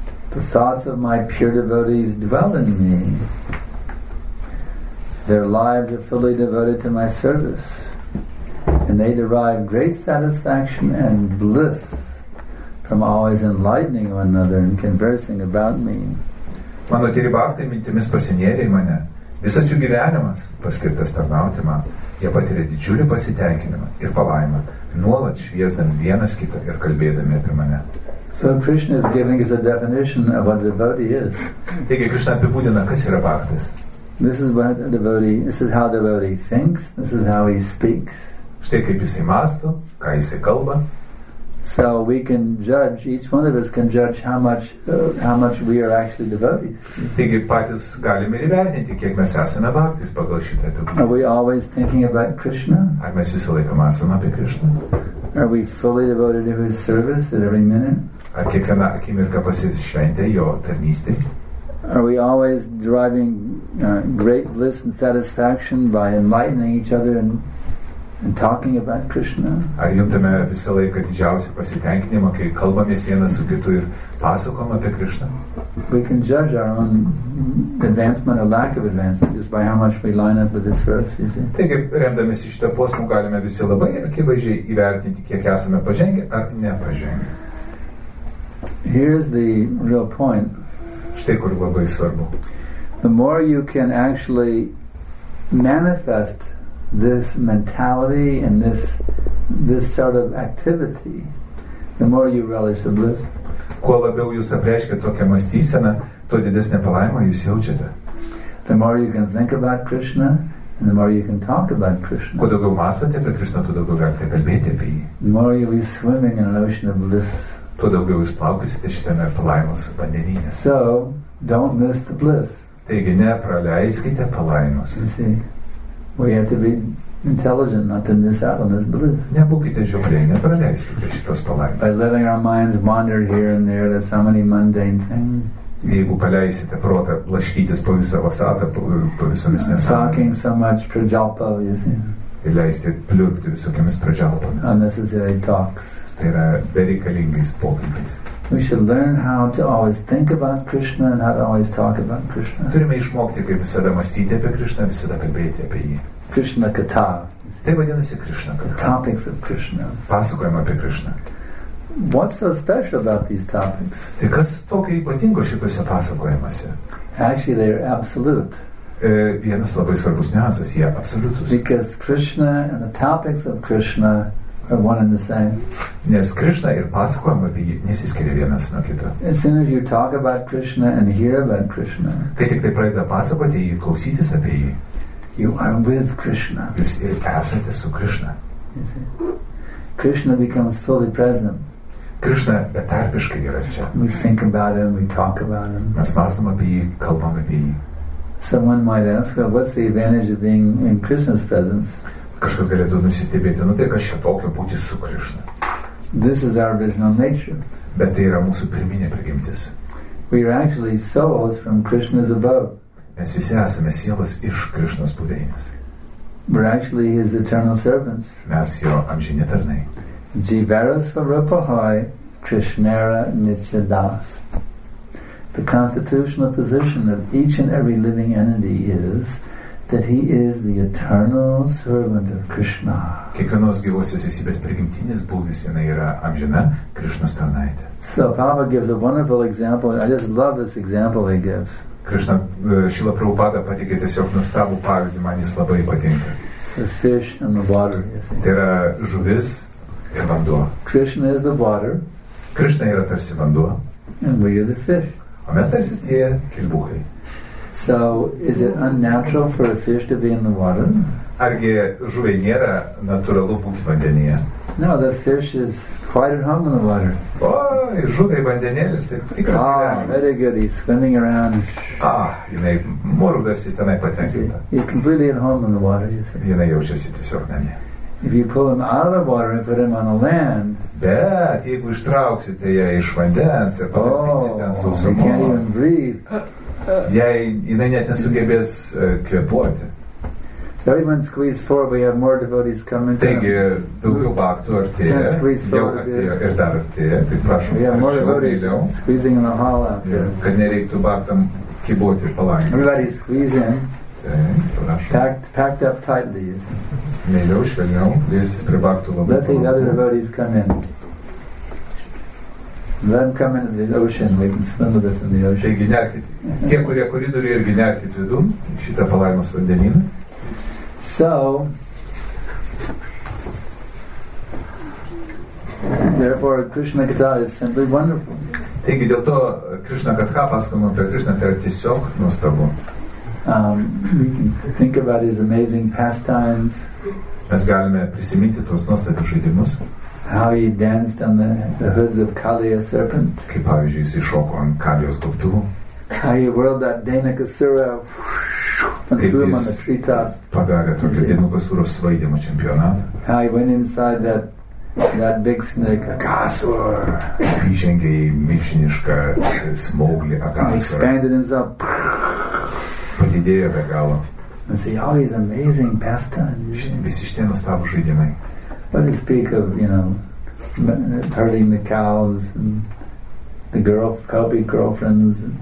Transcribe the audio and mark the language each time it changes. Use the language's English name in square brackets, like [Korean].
[English] The thoughts of my pure devotees dwell in me. Their lives are fully devoted to my service, and they derive great satisfaction and bliss from always enlightening one another and conversing about me. [Lithuanian] Mano tyri bhaktai mintimis pasinėrė į mane. Visas jų gyvenimas paskirtas tarnauti man. Jie patiria didžiulį pasitenkinimą ir palaimą, nuolat šviesdami vienas kitą ir kalbėdami apie mane. [English] So Krishna is giving us a definition of what a devotee is. [Lithuanian] Taigi Krishna apibūdina, kas yra bhaktas. [English] This is what a devotee, this is how the devotee thinks, this is how he speaks. [Lithuanian] Štai kaip jisai mąsto, ką jisai kalba. [English] So we can judge, each one of us can judge how much we are actually devotees. [Lithuanian] Taigi patys galime įvertinti, kiek mes esame bhaktis pagal šitą dokumentą. [English] Are we always thinking about Krishna? [Lithuanian] Ar mes visą laiką mąstome apie Krishna? [English] Are we fully devoted to his service at every minute? [Lithuanian] Ar kiekvieną akimirką pasišventę jo tarnystei? [English] Are we always deriving great bliss and satisfaction by enlightening each other and talking about Krishna? [Lithuanian] Ar juntame visą laiką didžiausią pasitenkinimą, kai kalbamės vienas su kitu ir pasakom apie Krishna? [English] We can judge our own advancement or lack of advancement just by how much we line up with this verse, you see. [Lithuanian] Taigi, remdamiesi šitą posmą, galime visi labai akivaizdžiai įvertinti, kiek esame pažengę ar nepažengę. [English] Here's the real point. [Lithuanian] Štai kur labai svarbu. [English] The more you can actually manifest this mentality and this sort of activity, the more you relish the bliss. [Lithuanian] Kuo labiau jūs apreiškia tokią mąstyseną, tuo didesnę palaimą jūs jaučiate. [English] The more you can think about Krishna, and the more you can talk about Krishna. [Lithuanian] Kuo daugiau mąstote apie Krishna, tuo daugiau galite kalbėti apie jį. [English] The more you'll be swimming in an ocean of bliss. [Lithuanian] Tuo daugiau jūs plaukysite šitame palaimos vandenyne. [English] So, don't miss the bliss. [Lithuanian] Taigi, nepraleiskite palaimos. [English] You see? We have to be intelligent not to miss out on this bliss. [Lithuanian] Nebūkite žiopliai, nepraleiskite šitos palaimos. [English] By letting our minds wander here and there, there's so many mundane things. [Lithuanian] Jeigu paleisite protą blaškytis po visą vasatą, po visomis nesąmonėmis. [English] Talking so much prajalpa, you see. [Lithuanian] Ir leisite pliurpti visokiamis prajalpomis. [English] Unnecessary talks. [Lithuanian] Tai yra bereikalingais pokalbiais. [English] We should learn how to always think about Krishna and how to always talk about Krishna. [Lithuanian] Turime išmokti, kaip visada mąstyti apie Krishna, visada kalbėti apie jį. [English] Krishna katha. [Lithuanian] Tai vadinasi Krishna katha. [English] The topics of Krishna. [Lithuanian] Pasakojama apie Krishna. [English] What's so special about these topics? [Lithuanian] Tai kas tokio ypatingo šitose pasakojimuose? [English] Actually, they are absolute. [Lithuanian] Vienas labai svarbus niuansas, jie absoliutus. [English] Because Krishna and the topics of Krishna are one and the same. [Lithuanian] Nes Krishna ir pasakojama apie jį nesiskiria vienas nuo kito. [English] As soon as you talk about Krishna and hear about Krishna, [Lithuanian] kai tik tai pradeda pasakoti jį, klausytis apie jį, [English] you are with Krishna. [Lithuanian] Jūs ir esate su Krishna. [English] Krishna becomes fully present. [Lithuanian] Krishna betarpiškai yra čia. [English] We think about him, we talk about him. [Lithuanian] Mes mąstom apie jį, kalbam apie jį. [English] Someone might ask, well, what's the advantage of being in Krishna's presence? [Lithuanian] Kažkas galėtų nusistebėti, nu tai kas čia tokio būti su Krishna. [English] This is our original nature. [Lithuanian] Bet tai yra mūsų pirminė prigimtis. [English] We are actually souls from Krishna's abode. [Lithuanian] Mes visi esame sielos iš Krishnos buveinės. [English] We're actually his eternal servants. [Lithuanian] Mes jo amžini tarnai. [Bangla] Jivarasva rupahai Krishnara Nitya Das. [English] The constitutional position of each and every living entity is that he is the eternal servant of Krishna. [Lithuanian] Kiekvienos gyvosios esybės prigimtinis būvis yra amžina Krishnos tarnaitė. [English] So Papa gives a wonderful example. I just love this example he gives. [Lithuanian] Krishna Šila Prabhupada pateikė tiesiog nuostabų pavyzdį, man jis labai patinka. [English] The fish and the water. [Lithuanian] Tai yra žuvis ir vanduo. [English] Krishna is the water. [Lithuanian] Krishna yra tarsi vanduo. [English] And we are the fish. [Lithuanian] O mes tarsi tie kilbukai. [English] So is it unnatural for a fish to be in the water? [Lithuanian] Argi žuviai nėra natūralu būti vandenyje? [English] No, the fish is quite at home in the water. [Lithuanian] O, žuviai vandenėlis, tai tikras gyvenimas. [English] Very good, he's swimming around. [Lithuanian] Jinai murgdasi tenai patenkinta. [English] He's completely at home in the water, you see. [Lithuanian] Jinai jaučiasi tiesiog namie. [English] If you pull him out of the water and put him on the land, [Lithuanian] bet jeigu ištrauksite ją iš vandens ir patenkinsite ant sausumo, [English] he can't even breathe. [Lithuanian] Jei jinai net nesugebės kvėpuoti. [English] So everyone squeeze forward, we have more devotees coming. [Lithuanian] Taigi, daugiau baktų artėja, jau artėja ir dar artėja. Tai prašom, [English] we have more devotees squeezing in the hall out there. Yeah. [Lithuanian] Kad nereiktų baktam kiboti ir palangės. [English] Everybody squeeze in. Okay. Packed up tightly, isn't it? [Lithuanian] Švelniau, liestis prie baktų labai. [English] Let these other devotees come in. Let them come into the ocean, we can swim with us in the ocean. [Lithuanian] Taigi, nerkit, tie, kurie koridorių irgi nerkit vidum, šitą palaimos vandenyną. [English] So, therefore, Krishna Katha is simply wonderful. [Lithuanian] Taigi, dėl to Krishna Katha pasakoma apie Krishna, tai yra tiesiog nuostabu. [English] We can think about his amazing pastimes. [Lithuanian] Mes galime prisiminti tos nuostabius žaidimus. [English] How he danced on the hoods of Kaliya serpent. [Lithuanian] Kaip, pavyzdžiui, jis iššoko ant Kalijos gobtuvo. [English] How he whirled that Dainakasura and threw him on the treetop. [Lithuanian] Padarė tokį Dainakasuros svaidymo čempionatą. [English] How he went inside that big snake, Akasur. [Lithuanian] Įžengė į milžinišką smauglį Akasur. [English] He expanded himself. [Lithuanian] Padidėjo be galo. [English] And see, all these amazing pastimes. [Lithuanian] Visi šitie nuostabūs žaidimai. [English] But they speak of, you know, herding the cows and the girlfriends.